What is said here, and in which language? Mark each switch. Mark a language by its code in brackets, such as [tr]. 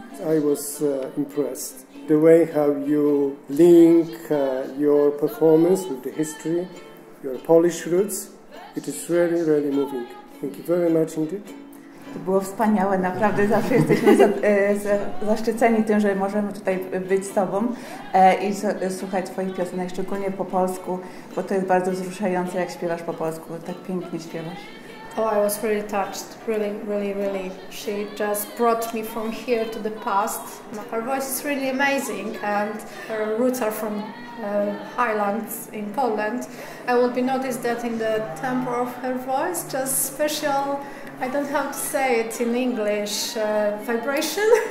[en] I was impressed the way how you link your performance with the history, your Polish roots. It is really, really moving. Thank you very much indeed. [pl] To było wspaniałe, naprawdę zawsze jesteśmy zaszczyceni tym, że możemy tutaj być z Tobą i słuchać Twoich piosenek, szczególnie po polsku, bo to jest bardzo wzruszające, jak śpiewasz po polsku, tak pięknie śpiewasz. [en] Oh, I was really touched, really, really, really. She just brought me from here to the past. Her voice is really amazing and her roots are from Highlands in Poland. I will be noticed that in the timbre of her voice, just special, I don't have to say it in English, vibration.